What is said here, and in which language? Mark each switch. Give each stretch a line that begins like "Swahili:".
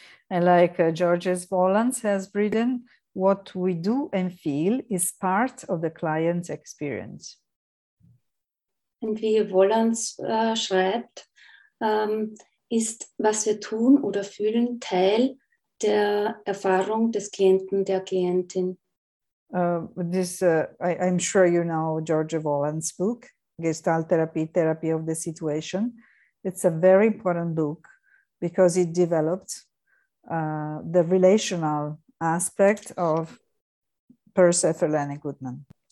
English: And like Georges Volans has written, what we do and feel is part of the client's experience.
German: Und wie Volans schreibt, ist, was wir tun oder fühlen, Teil der Erfahrung des Klienten, der Klientin.
English: I'm sure you know Georges Volans' book, Gestalt Therapy, Therapy of the Situation. It's a very important book because it developed the relational aspect of Peirce Ferlaine Goodman.